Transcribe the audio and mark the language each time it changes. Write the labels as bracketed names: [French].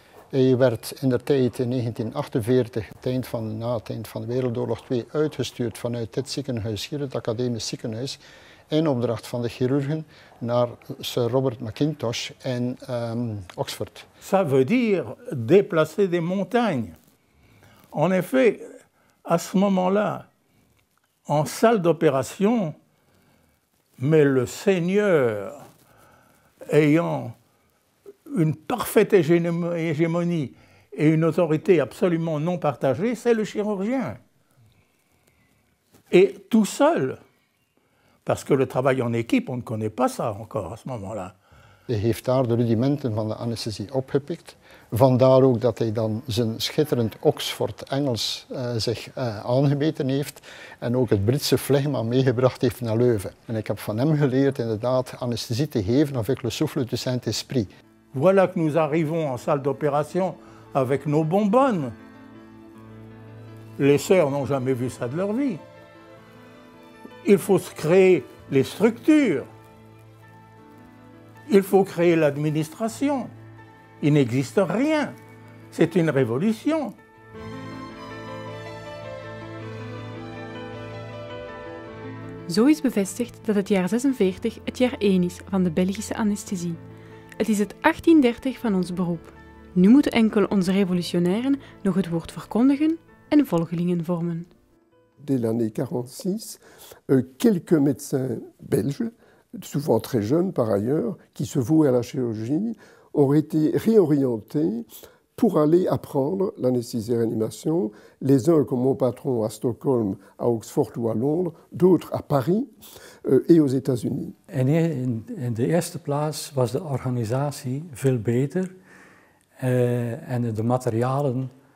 [Dutch] Hij werd in de tijd in 1948, na het eind van de Wereldoorlog II, uitgestuurd vanuit dit ziekenhuis hier, het Academisch Ziekenhuis, in opdracht van de chirurgen naar Sir Robert McIntosh in Oxford. [French] Ça veut dire déplacer des montagnes. En effet, à ce moment-là, en salle d'opération, mais le Seigneur ayant une parfaite hégémonie et une autorité absolument non partagée, c'est le chirurgien. Et tout seul, parce que le travail en équipe, on ne connaît pas ça encore à ce moment-là. [Dutch] Hij heeft daar de rudimenten van de anesthésie opgepikt. Vandaar ook dat hij dan zijn schitterend Oxford-Engels zich aangebeten heeft en ook het Britse flegma meegebracht heeft naar Leuven. En ik heb van hem geleerd inderdaad anesthésie te geven [French] avec le souffle de Saint-Esprit. Voilà que nous arrivons en salle d'opération avec nos bonbonnes. Les sœurs n'ont jamais vu ça de leur vie. Il faut se créer les structures. Il faut créer l'administration. Il n'existe rien. C'est une révolution. [Dutch] Zo is bevestigd dat het jaar 46 het jaar 1 is van de Belgische anesthesie. Het is het 1830 van ons beroep. Nu moeten enkel onze revolutionairen nog het woord verkondigen en volgelingen vormen. [French] Dès l'année 46, quelques médecins belges, souvent très jeunes par ailleurs, qui se vouaient à la chirurgie, ont été réorientés pour aller apprendre l'anesthésie et réanimation, les uns comme mon patron à Stockholm, à Oxford ou à Londres, d'autres à Paris et aux États-Unis. [Dutch] In de eerste plaats was de organisatie veel beter en de materialen.